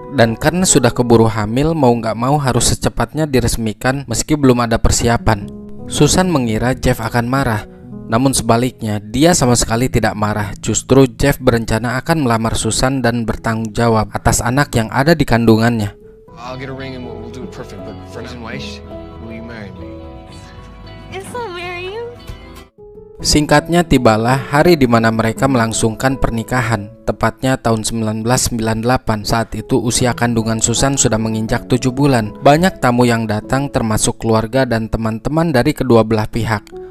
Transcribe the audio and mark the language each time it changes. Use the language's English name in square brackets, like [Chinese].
[Indonesian] Dan karena sudah keburu hamil, mau gak mau harus secepatnya diresmikan meski belum ada persiapan. Susan mengira Jeff akan marah. Namun sebaliknya, dia sama sekali tidak marah. Justru Jeff berencana akan melamar Susan dan bertanggung jawab atas anak yang ada di kandungannya. [English] I'll get a ring and we'll do it perfect, but for now, will you marry me? Yes, I'll marry you. [Indonesian] Singkatnya tibalah hari di mana mereka melangsungkan pernikahan, tepatnya tahun 1998. Saat itu usia kandungan Susan sudah menginjak 7 bulan. Banyak tamu yang datang termasuk keluarga dan teman-teman dari kedua belah pihak.